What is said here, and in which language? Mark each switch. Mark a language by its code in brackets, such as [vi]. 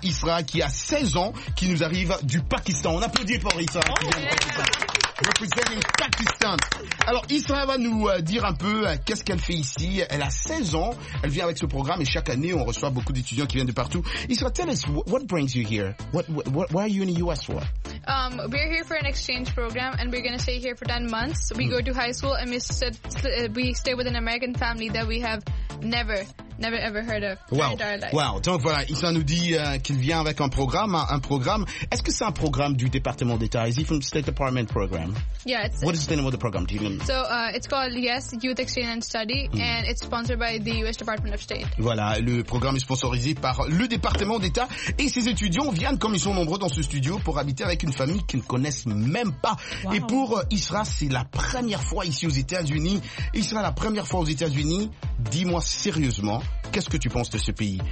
[fr] Isra qui a 16 ans, qui nous arrive du Pakistan. On applaudit pour Isra. [en] Representing Pakistan. [fr] Alors, Isra va nous dire un peu qu'est-ce qu'elle fait ici. Elle a 16 ans. Elle vient avec ce programme et chaque année, on reçoit beaucoup d'étudiants qui viennent de partout. [en] Isra, tell us, what brings you here? Why are you in the US for? We're here for an exchange program and we're going to stay here for 10 months. We go to high school and we stay with an American family that we have never ever heard of in our life. Wow. [fr] Donc voilà, Isra nous dit qu'il vient avec un programme. Est-ce que c'est un programme du département d'État? [en] Is it from State Department program? Yeah, it's. What is the name of the program? Do you know? So, it's called Yes Youth Exchange and Study and it's sponsored by the US Department of State. [fr] Voilà, le programme est sponsorisé par le département d'État et ses étudiants viennent comme ils sont nombreux dans ce studio pour habiter avec une famille qu'ils ne connaissent même pas. Wow. Et pour Isra, c'est la première fois ici aux États-Unis. Isra, la première fois aux États-Unis. Dis-moi sérieusement, qu'est-ce que tu penses de ce pays?